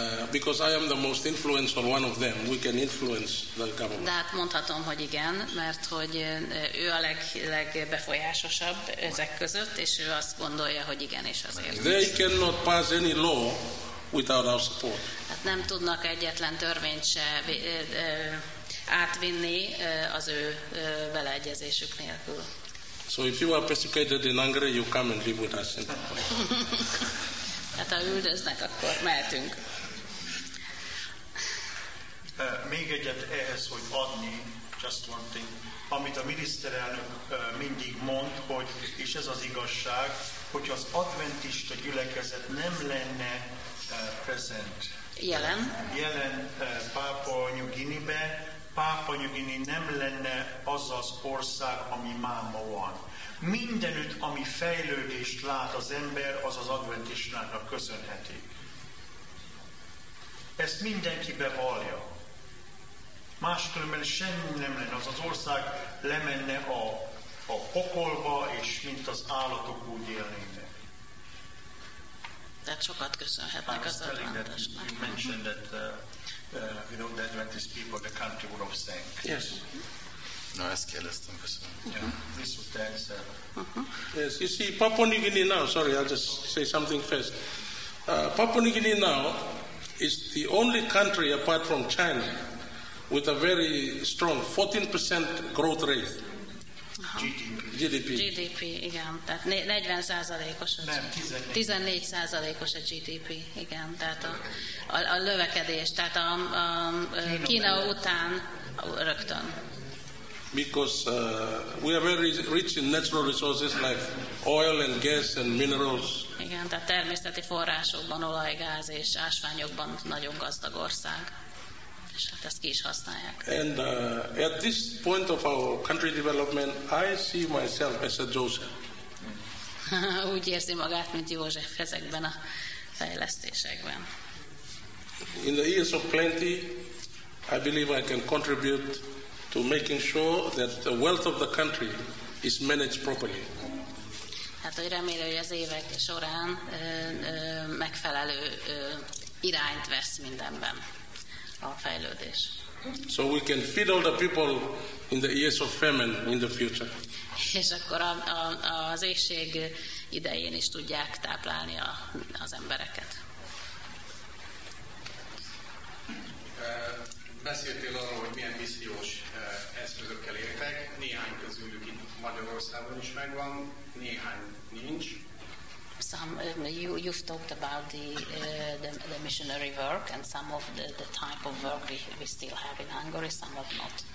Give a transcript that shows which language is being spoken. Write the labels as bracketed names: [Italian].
[English] Because I am the most influential one of them, we can influence the government. [Hungarian] De hát mondhatom, hogy igen, mert hogy ő a legbefolyásosabb ezek között, és ő azt gondolja, hogy igen, és azért. [English] They cannot pass any law without our support. [Hungarian] Hát nem tudnak egyetlen törvényt se átvinni az ő beleegyezésük nélkül. [English] So if you are persecuted in Hungary, you come and live with us. [Hungarian] Hát ha üldöznek, akkor mehetünk. Még egyet ehhez, hogy adni, [English] just one thing, [Hungarian] amit a miniszterelnök mindig mond, hogy, és ez az igazság, hogy az adventista gyülekezet nem lenne present. Jelen. Jelen Pápua New Guinea-be, Pápua New Guinea nem lenne az az ország, ami máma van. Mindenütt, ami fejlődést lát az ember, az az adventistának köszönheti. Ezt mindenki bevallja. Máskülönben semmi nem lenne. Az ország lemenne a pokolba, és mint az állatok úgy élnének. Tehát sokat köszönhetnek az adventistának. [English] You mentioned that you know, the Adventist people, the country would have sank. Yes. [Hungarian] No, ezt kérdeztem, köszönöm. [English] Yeah, this was the answer. Yes, you see, Papua New Guinea now, sorry, I'll just say something first. Papua New Guinea now is the only country apart from China with a very strong 14% growth rate. Uh-huh. GDP. [Hungarian] GDP, igen, tehát 40%-os. Nem, 14%-os a GDP, igen, tehát a növekedés, tehát a Kína után rögtön. [English] Because we are very rich in natural resources like oil and gas and minerals. [Hungarian] Igen, tehát természeti forrásokban, olaj, gáz és ásványokban nagyon gazdag ország. És hát ezt ki is használják. [English] And at this point of our country development, I see myself as a Joseph. [Hungarian] Úgy érzi magát, mint József ezekben a fejlesztésekben. [English] In the years of plenty, I believe I can contribute to making sure that the wealth of the country is managed properly. [Hungarian] Hát hogy remélem, hogy az évek során megfelelő irányt vesz mindenben a fejlődés. [English] So we can feed all the people in the years of famine in the future. [Hungarian] És akkor az éhség idején is tudják táplálni az embereket. Beszéltél arról, hogy milyen missziós eszközökkel éltek. Néhány közülük itt Magyarországon is megvan, néhány nincs. [English] You've talked about the missionary work and some of the type of work we still have in Hungary, some of not.